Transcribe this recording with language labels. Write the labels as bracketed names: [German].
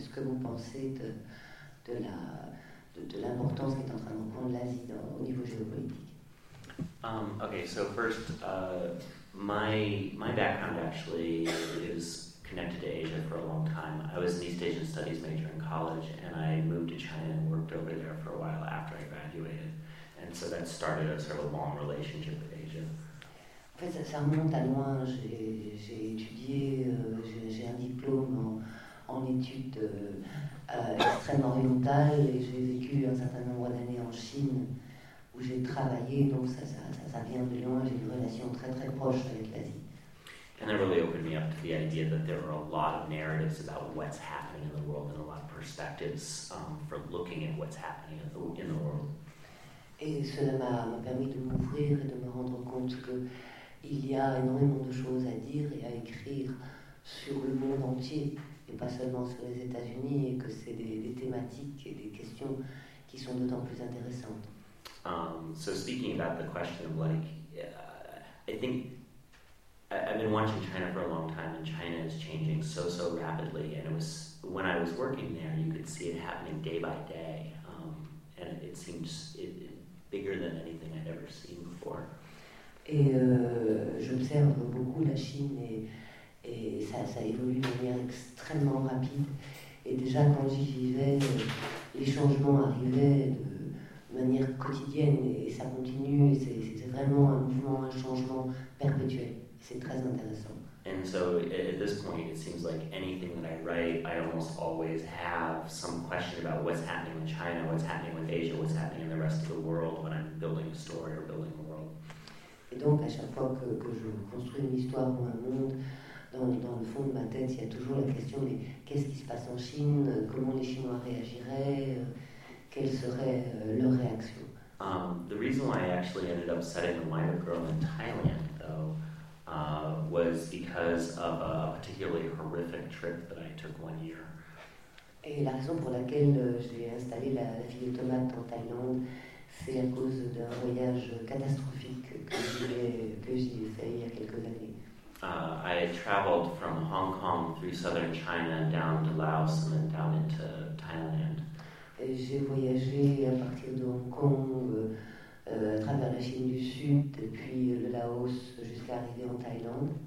[French] Est-ce que vous pensez de l'importance qu'est en train de prendre l'Asie au niveau géopolitique? [English] Okay, so first, my background actually is connected to Asia for a long time. I was an East Asian Studies major in college, and I moved to China and worked over there for a while after I graduated. And so that started a sort of long relationship with Asia. [French] En fait, ça remonte à loin. J'ai étudié, j'ai un diplôme en études extrêmement orientales, et j'ai vécu un certain nombre d'années en Chine où j'ai travaillé. Donc ça vient de loin. J'ai une relation très très proche avec l'Asie. [English] And it really opened me up to the idea that there are a lot of narratives about what's happening in the world and a lot of perspectives for looking at what's happening in the world. [French] Et cela m'a permis de m'ouvrir et de me rendre compte qu'il y a énormément de choses à dire et à écrire sur le monde entier et pas seulement sur les États-Unis, et que c'est des thématiques et des questions qui sont d'autant plus intéressantes. [English] So speaking about the question of like, I think I've been watching China for a long time, and China is changing so rapidly. And it was when I was working there, you could see it happening day by day, and it seems bigger than anything I'd ever seen before. [French] Et j'observe beaucoup la Chine, et ça évolue de manière extrêmement rapide. Et déjà quand j'y vivais, les changements arrivaient de manière quotidienne, et ça continue. C'est vraiment un mouvement, un changement perpétuel. C'est très intéressant. [English] And so at this point, it seems like anything that I write, I almost always have some question about what's happening in China, what's happening with Asia, what's happening in the rest of the world when I'm building a story or building a world. [French] Et donc à chaque fois que je construis une histoire ou un monde, dans le fond de ma tête, il y a toujours la question, mais qu'est-ce qui se passe en Chine, comment les Chinois réagiraient, quelle serait leur réaction. [English] The reason why I actually ended up setting the Wind of Girl in Thailand, though, was because of a particularly horrific trip that I took one year. [French] Et la raison pour laquelle j'ai installé la fille automate en Thaïlande, c'est à cause d'un voyage catastrophique que j'ai fait il y a quelques années. [English] I had traveled from Hong Kong through southern China down to Laos and then down into Thailand. [French] Et j'ai voyagé à partir de Hong Kong, à travers la Chine du Sud, puis le Laos, jusqu'à arriver en Thaïlande.